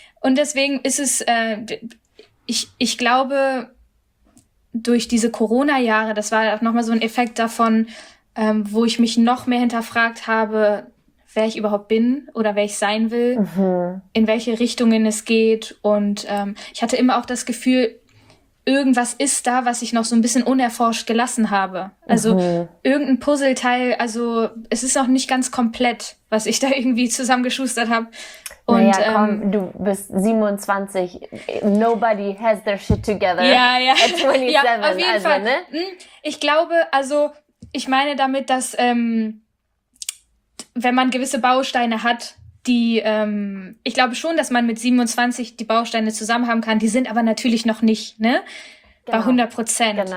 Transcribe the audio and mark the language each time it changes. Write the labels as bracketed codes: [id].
[de] Und deswegen ist es, ich glaube, durch diese Corona-Jahre, das war auch nochmal so ein Effekt davon, wo ich mich noch mehr hinterfragt habe, wer ich überhaupt bin oder wer ich sein will, in welche Richtungen es geht. Und ich hatte immer auch das Gefühl, irgendwas ist da, was ich noch so ein bisschen unerforscht gelassen habe. Also irgendein Puzzleteil, also es ist noch nicht ganz komplett, was ich da irgendwie zusammengeschustert habe. Naja, komm, du bist 27, [en] nobody has their shit together. [de] Ja. [en] At 27, [de] ja, auf jeden Fall. Ne? Ich glaube, also ich meine damit, dass wenn man gewisse Bausteine hat, die, ich glaube schon, dass man mit 27 die Bausteine zusammen haben kann. Die sind aber natürlich noch nicht, ne? Genau. Bei 100%. Genau.